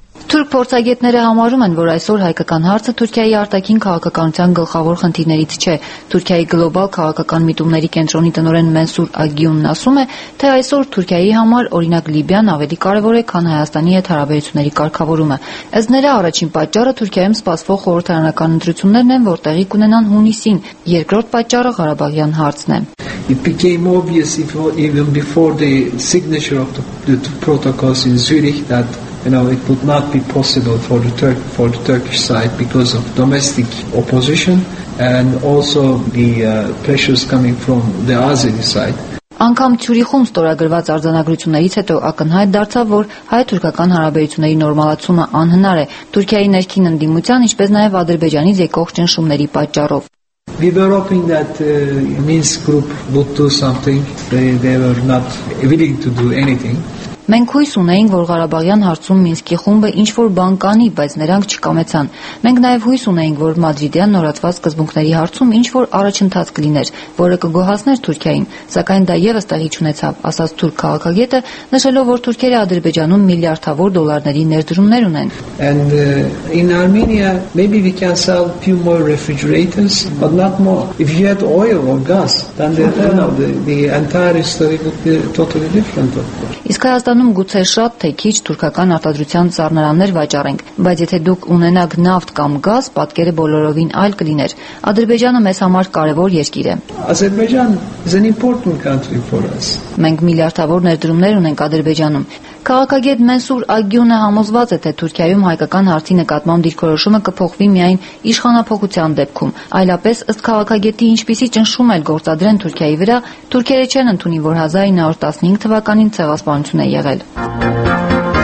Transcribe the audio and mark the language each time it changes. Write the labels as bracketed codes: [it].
[hy] Թուրք փորձագետները համարում են, որ այսօր հայկական հարցը Թուրքիայի արտաքին քաղաքականության գլխավոր խնդիրներից չէ։ Թուրքիայի գլոբալ քաղաքական միտումների կենտրոնի տնօրեն Մենսուր Ագյունն ասում է, թե այսօր Թուրքիայի համար, օրինակ Լիբիան, ավելի կարևոր է, քան Հայաստանի հետ հարաբերությունների կարգավորումը։ Ըստ նրա, առաջին պատճառը Թուրքիայում սպասվող խորհրդարանական ընտրություններն են, որ տեղի կունենան հունիսին, երկրորդ պատճառը Ղարաբաղյան հարցն է։ [en] It became obvious even before the signature of the two protocols in Zurich that it would not be possible for the Turkish side because of domestic opposition and also the pressures coming from the Azeri side. [hy] Անկամ Ցյուրիխում ստորագրված արձանագրություններից հետո ակնհայտ դարձավ, որ հայ-թուրքական հարաբերությունների նորմալացումը անհնար է Թուրքիայի ներքին ընդդիմության, ինչպես նաև Ադրբեջանի եկող ճնշումների պատճառով։ [en] We were hoping that Minsk group would do something. They were not willing to do anything. [hy] Մենք հույս ունեինք, որ Ղարաբաղյան հարցում Մինսկի խումբը ինչ-որ բան կանի, բայց նրանք չկամեցան։ Մենք նաև հույս ունեինք, որ Մադրիդյան նորացված սկզբունքների հարցում ինչ-որ առաջընթաց կլիներ, որը կգոհացներ Թուրքիային, սակայն դա ևս տեղի չունեցավ, ասաց թուրք քաղաքագետը, նշելով, որ Թուրքիայի Ադրբեջանում միլիարդավոր դոլարների ներդրումներ ունեն։ [en] And in Armenia maybe we can sell few more refrigerators, but not more. If you had oil or gas, then the entire story would be totally different. [hy] Հայաստանում գուցե շատ թե քիչ թուրքական արտադրության ծառայարաններ վաճառենք, բայց եթե դուք ունենաք նավթ կամ գազ, պատկերը բոլորովին այլ կլիներ։ Ադրբեջանը մեզ համար կարևոր երկիր է։ [en] Ադրբեջան is an important country for us. [hy] Մենք միլիարդավոր ներդրումներ ունենք Ադրբեջանում։ Քաղաքագետ Մենսուր Ագյունը համոզված է, թե Թուրքիայում հայկական հարցի նկատմամբ դիրքորոշումը կփոխվի միայն իշխանապահության դեպքում, այլապես ըստ քաղաքագետի ինչպիսի ճնշում էլ գործադրեն Թուրքիայի վրա, թուրքերը չեն ընդունի, որ 1915 թվականին ցեղասպանություն է եղել։